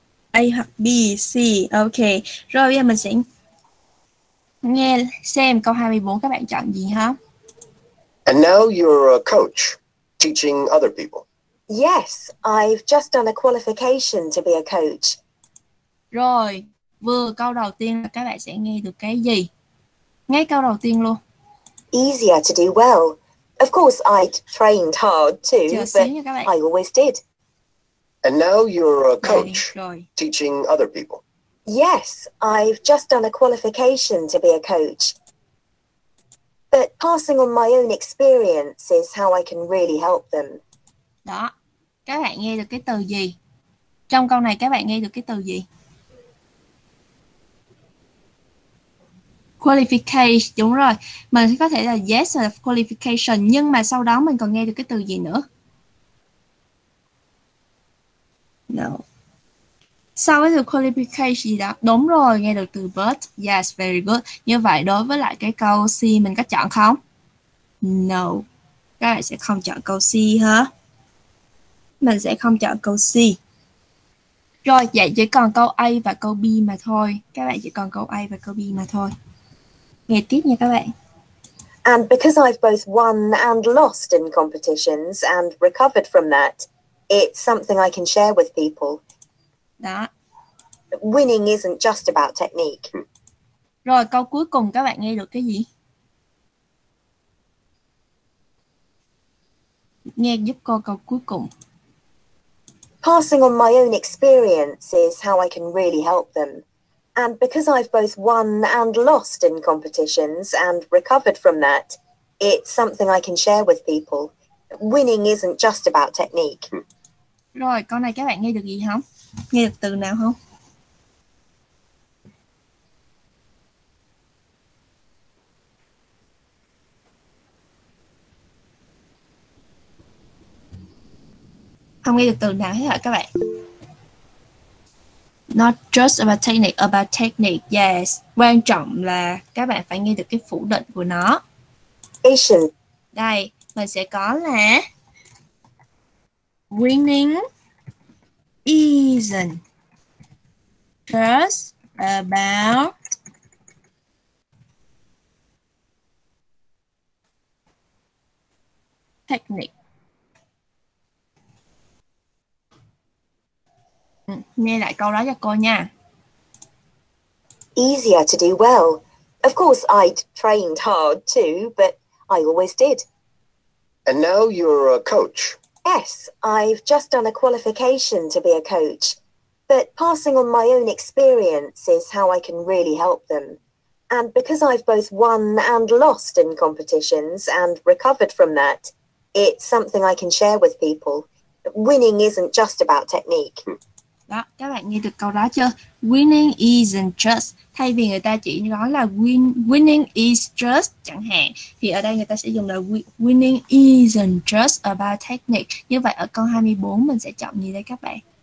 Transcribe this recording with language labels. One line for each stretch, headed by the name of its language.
Vietnamese: A hoặc B, C. Ok. Rồi bây giờ mình sẽ nghe xem câu 24 các bạn chọn gì ha.
English: And now you're a coach teaching other people. Yes, I've just done a qualification to be a coach.
Vietnamese: Rồi, vừa câu đầu tiên là các bạn sẽ nghe được cái gì? Nghe câu đầu tiên luôn.
English: Easier to do well. Of course, I trained hard too, but I always did. And now you're a coach teaching other people. Yes, I've just done a qualification to be a coach. But passing on my own experience is how I can really help them.
Vietnamese: Đó, các bạn nghe được cái từ gì? Trong câu này các bạn nghe được cái từ gì? Qualification, đúng rồi. Mình có thể là
English: yes of qualification,
Vietnamese: nhưng mà sau đó mình còn nghe được cái từ gì nữa? No. Sau cái từ qualification gì đó? Đúng rồi, nghe được từ but.
English: Yes, very good.
Vietnamese: Như vậy đối với lại cái câu C mình có chọn không? No. Các bạn sẽ không chọn câu C hả? Mình sẽ không chọn câu C. Rồi, vậy chỉ còn câu A và câu B mà thôi. Các bạn chỉ còn câu A và câu B mà thôi. Nghe tiếp nha các bạn.
English: And because I've both won and lost in competitions and recovered from that, it's something I can share with people.
Vietnamese: Đó.
English: Winning isn't just about technique.
Vietnamese: Rồi câu cuối cùng các bạn nghe được cái gì? Nghe giúp cô câu cuối cùng.
English: Passing on my own experience is how I can really help them. And because I've both won and lost in competitions and recovered from that, it's something I can share with people. Winning isn't just about technique.
Vietnamese: Rồi, câu này các bạn nghe được gì không? Nghe được từ nào không? Không nghe được từ nào hết hả các bạn?
English: Not just about technique, yes.
Vietnamese: Quan trọng là các bạn phải nghe được cái phủ định của nó. Asian. Đây, mình sẽ có là
English: winning isn't just about technique.
Vietnamese: Nghe lại câu đó cho cô nha.
English: Easier to do well. Of course, I'd trained hard too, but I always did. And now you're a coach. Yes, I've just done a qualification to be a coach. But passing on my own experience is how I can really help them. And because I've both won and lost in competitions and recovered from that, it's something I can share with people. Winning isn't just about technique.
Vietnamese: Đó, các bạn nghe được câu đó chưa?
English: Winning isn't just.
Vietnamese: Thay vì người ta chỉ nói là
English: winning is just
Vietnamese: chẳng hạn, thì ở đây người ta sẽ dùng là
English: winning isn't just about technique.
Vietnamese: Như vậy ở câu 24 mình sẽ chọn gì đây các bạn?